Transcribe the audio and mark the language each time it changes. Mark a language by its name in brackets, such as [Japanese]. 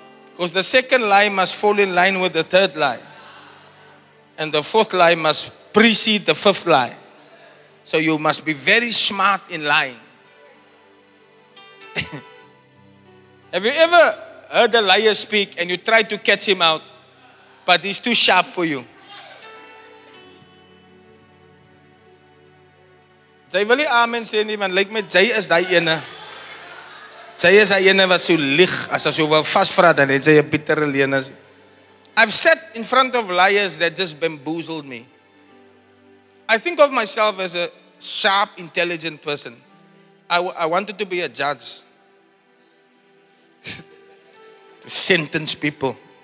[English] Because the second lie must fall in line with the third lie. And the fourth lie must precede the fifth lie. So you must be very smart in lying. Have you ever heard a liar speak and you try to catch him out, but he's too sharp for you? [Afrikaans] Jy wil nie amen sê nie, want lyk my jy is die ene. Jy is die ene wat so lieg, as jy wil vasvra, dan het jy 'n bittere leuner. [English] I've sat in front of liars that just bamboozled me. I think of myself as a sharp, intelligent person. I wanted to be a judge. To sentence people.